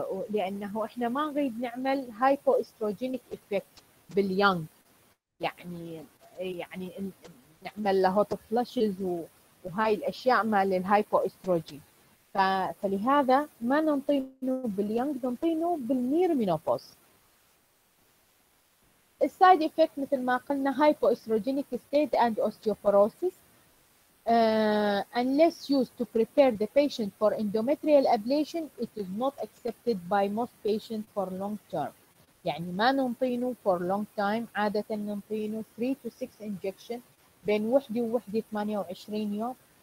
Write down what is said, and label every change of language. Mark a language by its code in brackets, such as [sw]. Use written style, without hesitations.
[ar] لأنه إحنا ما نريد نعمل hypoestrogenic effect باليونج، يعني نعمل له هوت فلاشز وهاي الاشياء مال الهايبو استروجين. فلهذا ما ننطينه باليونج، ننطينه بالنير مينوبوز. السايد افكت مثل ما قلنا هايبو استروجينيك ستيت اند اوستيوبوروسيس. [en] unless used to prepare the patient for endometrial ablation it is not accepted by most patients for long term. [ar] يعني ما ننطينه [en] for long time، [ar] عادة ننطينه [en] 3 to 6 injection [ar] بين وحدة ووحدة 28 يوم.